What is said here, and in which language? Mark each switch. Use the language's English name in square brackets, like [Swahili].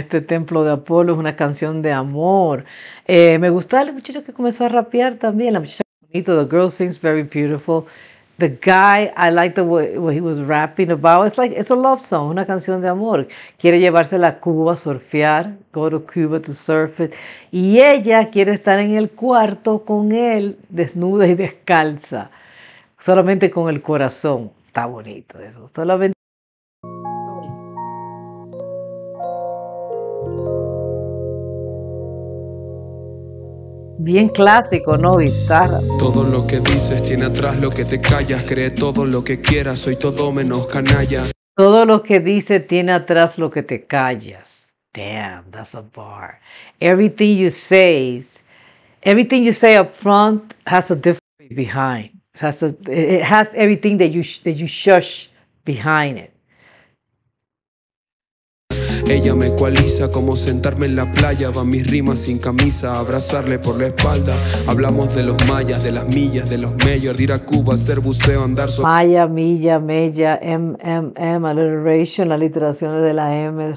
[Spanish] Este templo de Apolo es una canción de amor. Me gustó el muchacho que comenzó a rapear también. La muchacha bonito. [English] The girl sings very beautiful. The guy, I like the way he was rapping about. It's like it's a love song, [Spanish] una canción de amor. Quiere llevársela a Cuba a surfear. [English] Go to Cuba to surf it. [Spanish] Y ella quiere estar en el cuarto con él, desnuda y descalza, solamente con el corazón. Está bonito eso. Solamente. Bien clásico, ¿no? Guitarra. Todo lo que dices tiene atrás lo que te callas. Cree todo lo que quieras, soy todo menos canalla. Todo lo que dices tiene atrás lo que te callas. [English] Damn, that's a bar. Everything you say up front has a difference behind. It has everything that you shush behind it. [Spanish] Ella me ecualiza como sentarme en la playa. Van mis rimas sin camisa, abrazarle por la espalda. Hablamos de los mayas, de las millas, de los mayor. Ir a Cuba, hacer buceo, andar sobre. Maya, milla, mella, MMM, alliteration, la literación de la M.